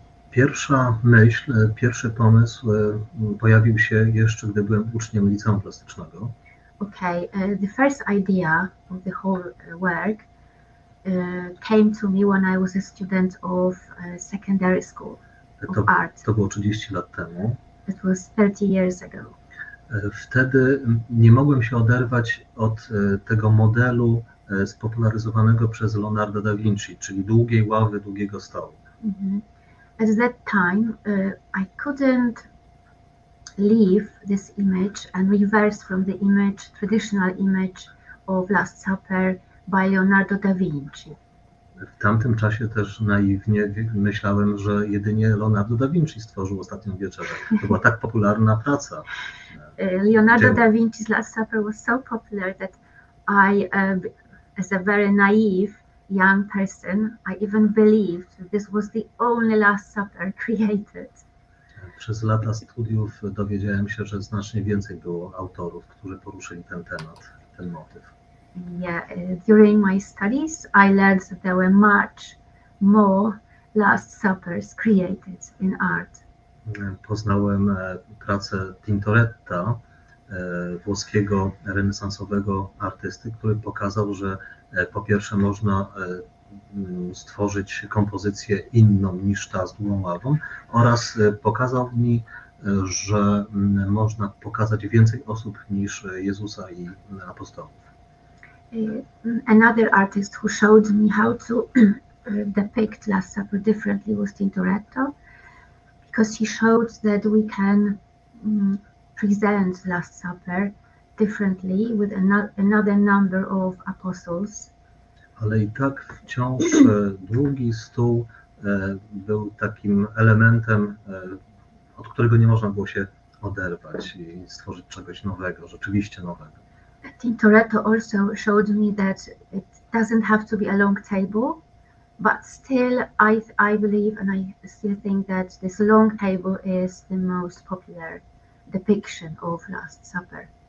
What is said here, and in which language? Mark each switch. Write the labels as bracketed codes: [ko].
[pl] Pierwsza myśl, pierwszy pomysł pojawił się jeszcze, gdy byłem uczniem liceum plastycznego. [en] Okay, the first idea of the whole work came to me when I was a student of secondary school of art. [pl] To było 30 lat temu. [en] It was 30 years ago. [pl] Wtedy nie mogłem się oderwać od tego modelu spopularyzowanego przez Leonardo da Vinci, czyli długiej ławy, długiego stołu. [en] At that time, I couldn't leave this image and reverse from the image, traditional image of Last Supper by Leonardo da Vinci. [pl] W tamtym czasie też naiwnie myślałem, że jedynie Leonardo da Vinci stworzył Ostatnią Wieczerzę. To była tak popularna praca. [en] Leonardo da Vinci's Last Supper was so popular that I, as a very naive young person, I even believed this was the only Last Supper created. [pl] Przez lata studiów dowiedziałem się, że znacznie więcej było autorów, którzy poruszyli ten temat, ten motyw. [en] Yeah, during my studies, I learned that there were much more Last Suppers created in art. [pl] Poznałem pracę Tintoretta, włoskiego renesansowego artysty, który pokazał, że po pierwsze można stworzyć kompozycję inną niż ta z długą ławą oraz pokazał mi, że można pokazać więcej osób niż Jezusa i apostołów. [en] Another artist who showed me how to depict Last Supper differently was Tintoretto, because he showed that we can present Last Supper differently with another number of apostles. [pl] Ale i tak wciąż długi stół był takim elementem, od którego nie można było się oderwać i stworzyć czegoś nowego, rzeczywiście nowego. [en] Tintoretto also showed me that it doesn't have to be a long table, but still I believe and I still think that this long table is the most popular depiction of Last Supper.